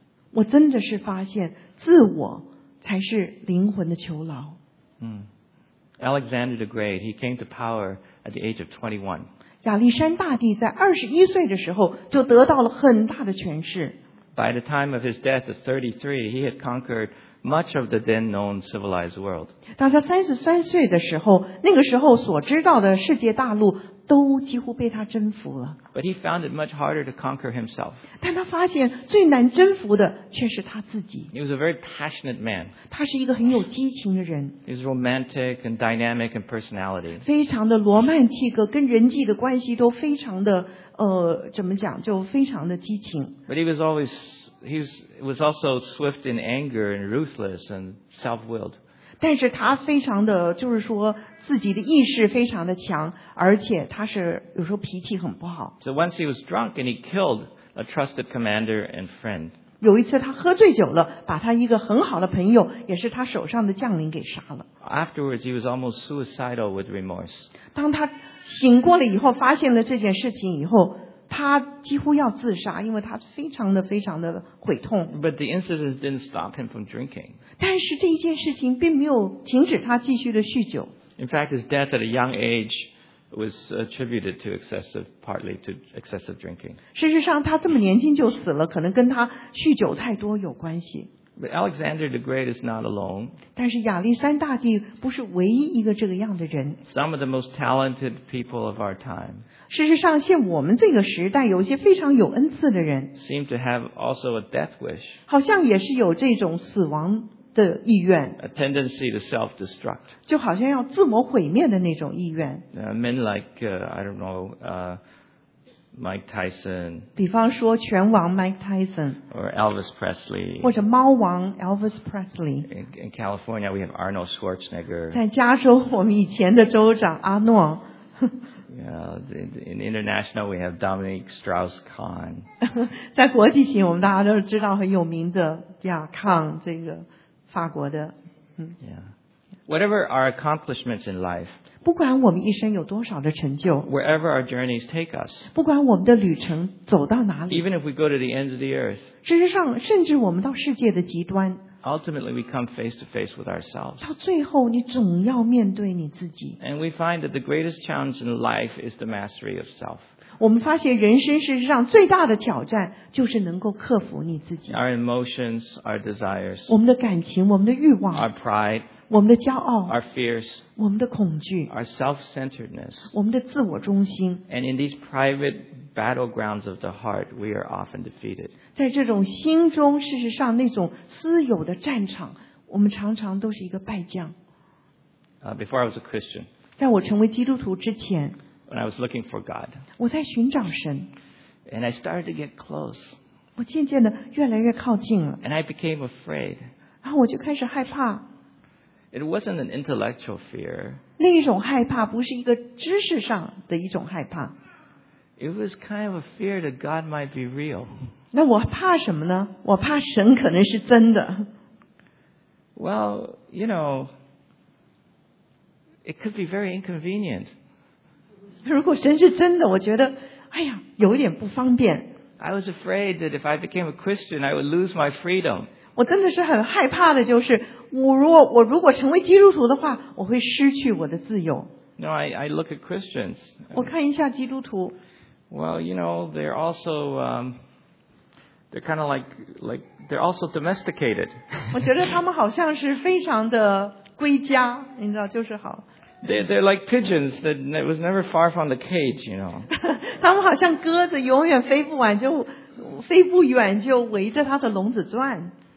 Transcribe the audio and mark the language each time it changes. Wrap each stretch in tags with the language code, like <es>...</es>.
<zh>我真的是发现，自我才是灵魂的囚牢。 Mm.</zh> <en>Alexander the Great, he came to power at the age of 21.</en> <zh>亚历山大帝在21岁的时候就得到了很大的权势。</zh> <en>By the time of his death at 33, he had conquered much of the then known civilized world.</en> <zh>当他33岁的时候，那个时候所知道的世界大陆都几乎被他征服了。</zh> <en>But he found it much harder to conquer himself.</en> <zh>但他发现最难征服的却是他自己。</zh> <en>He was a very passionate man.</en> <zh>他是一个很有激情的人。</zh> <en>He was romantic and dynamic in personality.</en> <zh>非常的罗曼蒂克，跟人际的关系都非常的怎么讲，就非常的激情。</zh> <en>But he was also swift in anger and ruthless and self-willed.</en> <zh>但是他非常的就是说自己的意识非常的强，而且他是有时候脾气很不好。</zh> <en>So once he was drunk and he killed a trusted commander and friend.</en> <zh>有一次他喝醉酒了，把他一个很好的朋友，也是他手上的将领给杀了。</zh> <en>Afterwards, he was almost suicidal with remorse.</en> <zh>当他醒过了以后，发现了这件事情以后，他几乎要自杀，因为他非常的非常的悔痛。</zh> <en>But the incident didn't stop him from drinking.</en> <zh>但是这一件事情并没有停止他继续的酗酒。</zh> <en>In fact, his death at a young age was attributed to excessive drinking.</en> <zh>事实上，他这么年轻就死了，可能跟他酗酒太多有关系。</zh> <en>But Alexander the Great is not alone.</en> <zh>但是亚历山大帝不是唯一一个这个样的人。</zh> <en>Some of the most talented people of our time.</en> <zh>事实上，像我们这个时代，有一些非常有恩赐的人。</zh> <en>Seem to have also a death wish.</en> <zh>好像也是有这种死亡。的意愿</zh> <en>，a tendency to self-destruct，</en> <zh>就好像要自我毁灭的那种意愿。</zh> <en>Men like Mike Tyson，</en> <zh>比方说拳王 Mike Tyson，</zh> <en>or Elvis Presley，</en> <zh>或者猫王 Elvis Presley。</zh> <en>In California, we have Arnold Schwarzenegger。</en> <zh>在加州，我们以前的州长阿诺。</zh> <en>In international, we have Dominic Strauss-Kahn。</en> <zh>在国际型，我们大家都知道很有名的亚康这个。法国的，</zh> <en>Whatever our accomplishments in life，</en> <zh>不管我们一生有多少的成就</zh> <en>，Wherever our journeys take us，</en> <zh>不管我们的旅程走到哪里</zh> <en>，Even if we go to the ends of the earth，</en> <zh>事实上，甚至我们到世界的极端</zh> <en>，Ultimately we come face to face with ourselves，</en> <zh>到最后你总要面对你自己。</zh> <en>And we find that the greatest challenge in life is the mastery of self。</en> <zh>我们发现人生事实上最大的挑战就是能够克服你自己。</zh> <en>Our emotions, our desires.</en> <zh>我们的感情，我们的欲望。</zh> <en>Our pride.</en> <zh>我们的骄傲。</zh> <en>Our fears.</en> <zh>我们的恐惧。</zh> <en>Our self-centeredness.</en> <zh>我们的自我中心。</zh> <en>And in these private battlegrounds of the heart, we are often defeated.</en> <zh>在这种心中，事实上那种私有的战场，我们常常都是一个败将。</zh> <en>Before I was a Christian.</en> <zh>在我成为基督徒之前。</zh> <en>When I was looking for God,</en> <zh>我在寻找神</zh> <en>and I started to get close.</en> <zh>我渐渐的越来越靠近了</zh> <en>and I became afraid.</en> <zh>然后我就开始害怕</zh> <en>It wasn't an intellectual fear.</en> <zh>那一种害怕不是一个知识上的一种害怕</zh> <en>It was kind of a fear that God might be real.</en> <zh>那我怕什么呢？我怕神可能是真的</zh> <en>Well, you know, it could be very inconvenient.</en> <zh>如果神是真的，我觉得，哎呀，有点不方便。</zh> <en>I was afraid that if I became a Christian, I would lose my freedom.</en> <zh>我真的是很害怕的，就是我如果成为基督徒的话，我会失去我的自由。</zh> <en>No, I look at Christians.</en> <zh>我看一下基督徒。</zh> <en>Well, you know, they're also they're kind of like they're also domesticated.</en> <zh>我觉得他们好像是非常的归家，你知道，就是好。</zh> <en>They're like pigeons that was never far from the cage, you know.</en> <zh>他们好像鸽子，永远飞不完就飞不远就围着他的笼子转。</zh>